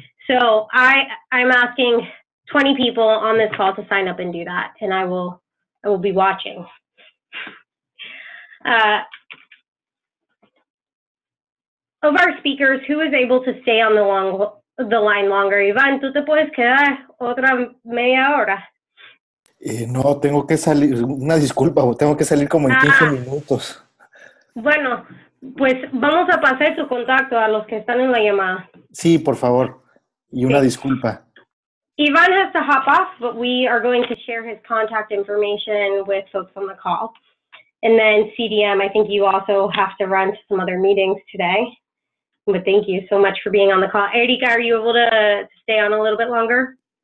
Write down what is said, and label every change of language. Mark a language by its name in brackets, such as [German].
[English] So I'm asking 20 people on this call to sign up and do that, and I will be watching. Of our speakers, who is able to stay on the line longer? [Spanish] Iván, ¿tú te puedes quedar otra media hora? No, tengo que salir, una disculpa, tengo que salir como en 15 minutos. Bueno, pues vamos a pasar su contacto a los que están en la llamada. Sí, por favor, y una disculpa. [English] Iván has to hop off, but we are going to share his contact information with folks on the call. And then CDM, I think you also have to run to some other meetings today. But thank you so much for being on the call. Erika, are you able to stay on a little bit longer?